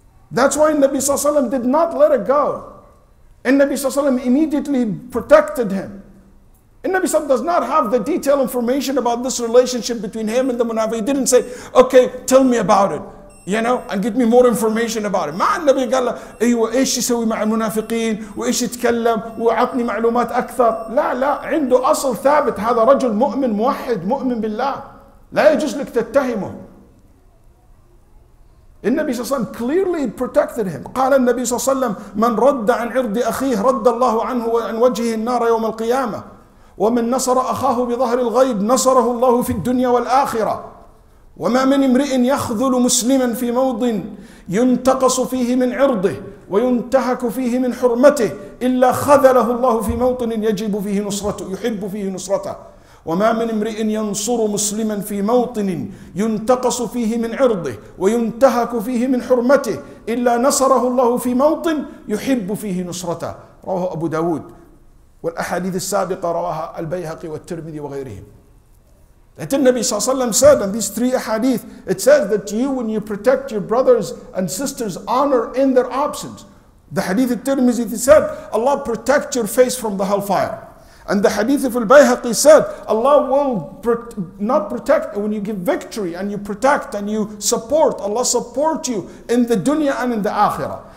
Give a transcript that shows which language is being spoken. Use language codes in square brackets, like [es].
[en] That's why Nabi Sallallahu Alaihi Wasallam did not let it go. And Nabi Sallallahu Alaihi Wasallam immediately protected him. And Nabi Sallallahu does not have the detailed information about this relationship between him and the Munafiq. He didn't say, okay, tell me about it, you know, and get me more information about it. [ar] Ma'an Nabi قال له, ايش يسوي مع المنافقين وايش يتكلم وعطني معلومات أكثر. لا لا, عنده أصل ثابت, هذا رجل مؤمن موحد مؤمن بالله. لا يجوز لك تتهمه. النبي صلى الله عليه وسلم [en] clearly protected him. [ar] قال النبي صلى الله عليه وسلم من رد عن عرض أخيه رد الله عنه وعن وجهه النار يوم القيامة ومن نصر أخاه بظهر الغيب نصره الله في الدنيا والآخرة وما من امرئ يخذل مسلما في موضع ينتقص فيه من عرضه وينتهك فيه من حرمته إلا خذله الله في موطن يجب فيه نصرته يحب فيه نصرته وما من امرئ ينصر مسلما في موطن ينتقص فيه من عرضه وينتهك فيه من حرمته إلا نصره الله في موطن يحب فيه نصرته رواه أبو داود والأحاديث السابقة رواها البيهقي والترمذي وغيرهم. [en] That [ar] النبي صلى الله عليه وسلم [en] said, and these three hadith, it says that you, when you protect your brothers and sisters, honor in their absence. The hadith al-Tirmizi said, Allah protect your face from the hellfire. And the hadith of al-Bayhaqi said, Allah will not protect, when you give victory and you protect and you support, Allah support you in the dunya and in the akhirah.